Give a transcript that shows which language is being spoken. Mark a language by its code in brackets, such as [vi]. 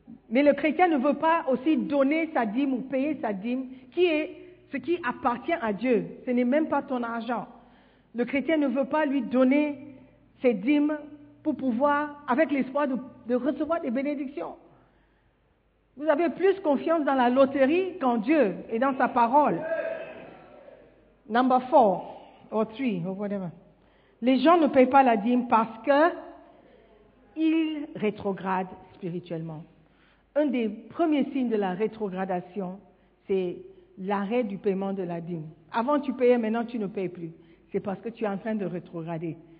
[fr] Mais le chrétien ne veut pas aussi donner sa dîme ou payer sa dîme, qui est ce qui appartient à Dieu. Ce n'est même pas ton argent. Le chrétien ne veut pas lui donner ses dîmes pour pouvoir, avec l'espoir de recevoir des bénédictions. Vous avez plus confiance dans la loterie qu'en Dieu et dans sa parole. [en] Number four, or three, or whatever. [fr] Les gens ne payent pas la dîme parce qu'ils rétrogradent spirituellement. Un des premiers signes de la rétrogradation, c'est l'arrêt du paiement de la dîme. Avant tu payais, maintenant tu ne payes plus. C'est parce que tu es en train de rétrograder.